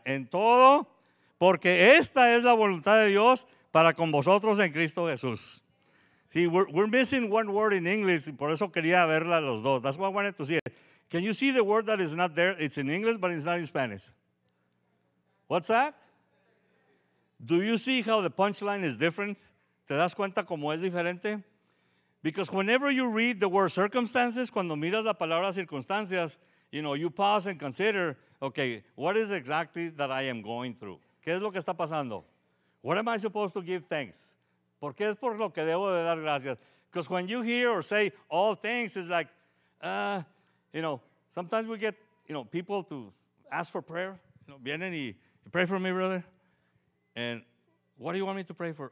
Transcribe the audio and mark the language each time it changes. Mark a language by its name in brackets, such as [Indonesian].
[Spanish] En todo, porque esta es la voluntad de Dios para con vosotros en Cristo Jesús. [English] See, we're missing one word in English, [Spanish] por eso quería verla los dos. [English] That's why I wanted to see it. Can you see the word that is not there? It's in English, but it's not in Spanish. What's that? Do you see how the punchline is different? [Spanish] ¿Te das cuenta cómo es diferente? [English] Because whenever you read the word circumstances, [Spanish] cuando miras la palabra circunstancias, [English] you know, you pause and consider, okay, what is exactly that I am going through? [Spanish] ¿Qué es lo que está pasando? [English] What am I supposed to give thanks? [Spanish] ¿Por qué es por lo que debo de dar gracias? [English] Because when you hear or say all things, it's like, you know, sometimes we get, you know, people to ask for prayer. You know, [Spanish] vienen y [English] pray for me, brother. And What do you want me to pray for?